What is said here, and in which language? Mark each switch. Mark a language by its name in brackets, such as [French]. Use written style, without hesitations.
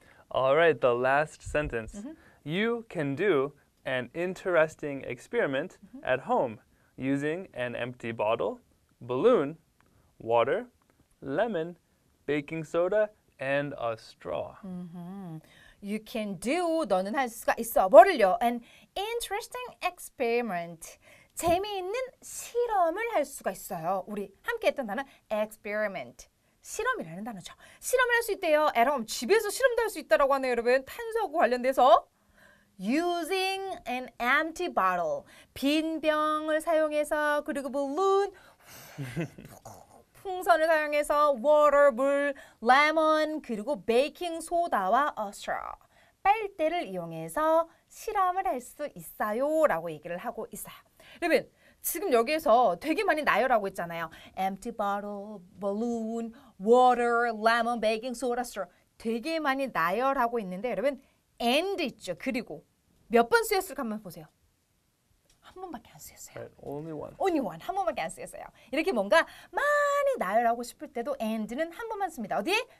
[English] All right, the last sentence. You can do an interesting experiment at home using an empty bottle, balloon, water, lemon, baking soda, and a straw. You can do, [Korean] 너는 할 수가 있어, 뭐를요? [English] An interesting experiment. [Korean] 재미있는 실험을 할 수가 있어요. 우리 함께 했던 단어 experiment. 실험이라는 단어죠. 실험을 할 수 있대요. [English] At home, [Korean] 집에서 실험도 할 수 있다라고 하네요, 여러분. 탄수하고 관련돼서. [English] Using an empty bottle, [Korean] 빈 병을 사용해서, 그리고 balloon, 풍선을 사용해서, water, 물, lemon, 그리고 baking soda와 a straw, 빨대를 이용해서 실험을 할 수 있어요, 라고 얘기를 하고 있어요. 여러분, 지금 여기에서 되게 많이 나열하고 있잖아요. [English] Empty bottle, balloon, water, lemon, baking soda, straw, [Korean] 되게 많이 나열하고 있는데, 여러분, [English] and [Korean] 있죠. 그리고 몇 번 쓰였을까 한번 보세요. 한 번밖에 안 쓰였어요. [English] Right, only one. Only one. [Korean] 한 번밖에 안 쓰였어요. 이렇게 뭔가 많이 나열하고 싶을 때도 and는 한 번만 씁니다. 어디에?